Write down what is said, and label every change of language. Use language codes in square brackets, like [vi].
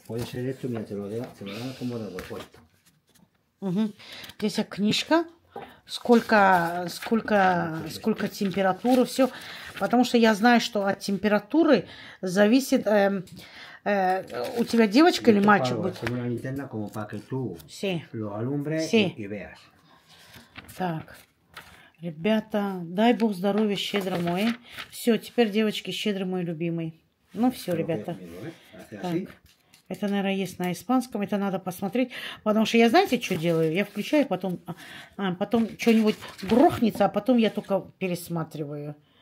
[es] Puede ser esto, mira, te lo dan como de repuesto. [ru] Здесь книжка. Сколько температуры, все. Потому что я знаю, что от температуры зависит... у тебя девочка или мальчик будет? [es] Es una linterna como para que tú lo alumbres y veas. [ru] Так, ребята, дай бог здоровья, щедро мой. Все, теперь, девочки, щедрый мой любимый. Ну, все, ребята. Так. Это, наверное, есть на испанском. Это надо посмотреть. Потому что я, знаете, что делаю? Я включаю, потом что-нибудь грохнется, а потом я только пересматриваю.